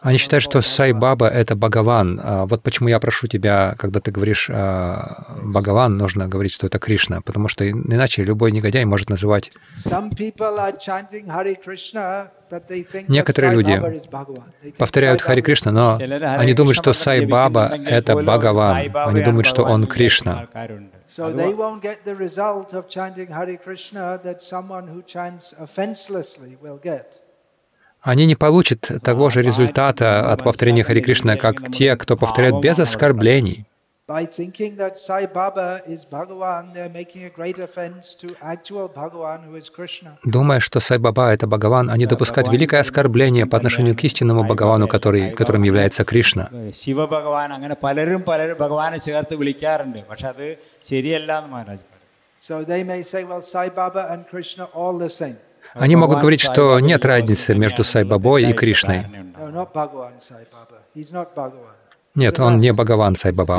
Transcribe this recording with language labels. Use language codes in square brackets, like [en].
[ru] Они считают, что Сай Баба — это Бхагаван. Вот почему я прошу тебя, когда ты говоришь Бхагаван, нужно говорить, что это Кришна, потому что иначе любой негодяй может называть. [en] Some people are chanting Hare Krishna, but they think [ru] некоторые люди повторяют Hare Krishna, но они думают, что Сай Баба — это Бхагаван. Они думают, что он Кришна. [en] So they won't get the result of chanting Hare Krishna that someone who chants offenselessly will get. [ru] Они не получат того же результата от повторения Hare Krishna, как те, кто повторяет без оскорблений. [en] By thinking that Sai Baba is Bhagavan, they're making a great offense to actual Bhagavan, who is Krishna. [ru] Думая, что Сай Баба это Бхагаван, они допускают великое оскорбление по отношению к истинному Бхагавану, которым является Кришна. [ml] Шива Бхагаван, അങ്ങനെ പലരും ഭഗവാനെ ചേർത്ത് വിളിക്കാറുണ്ട്. പക്ഷേ അത് ശരിയല്ല എന്ന് മഹാരാജ് പറഞ്ഞു. [en] So they may say, well, Sai Baba and Krishna all the same. [ru] Они могут говорить, что нет разницы между Сай Бабой и Кришной. [en] No, not Bhagavan, Sai Baba. He's not Bhagavan. [ru] Нет, он не Бхагаван, Сай Баба.